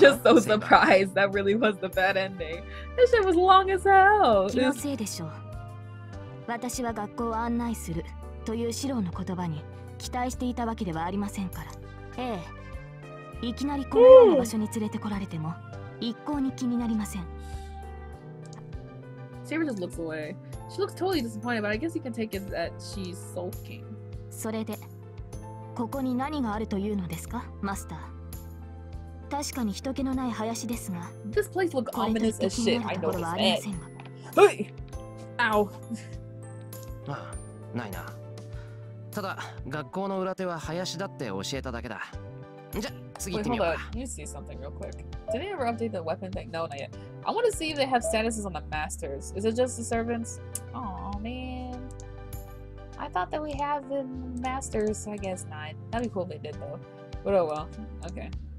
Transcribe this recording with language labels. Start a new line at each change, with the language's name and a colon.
English: I'm just so surprised. That really was the bad ending. This shit was long as hell.
Japanese: 気のせいでしょう。私は学校を案内するというシローの言葉に期待していたわけではありませんから。ええ。いきなりこのような場所に連れてこられても一向に気になりません。
English: Sarah just looks away. She looks totally disappointed, but I guess you can take it that she's sulking.
Japanese: それで。ここに何があるというのですか、マスター。確かに人気のない林ですが。
English: This place looks ominous as shit. I know what you're saying. Hey! Ow!
Japanese: まあ、ないな。ただ、学校の裏手は林だって教えただけだ。じゃ、次行ってみようか。
English: Wait, hold on. You see something real quick. Did they ever update the weapon thing? No, not yet. I want to see if they have statuses on the masters. Is it just the servants? Aw, man. I thought that we have the masters, I guess not. That'd be cool if they did though. But oh well, okay.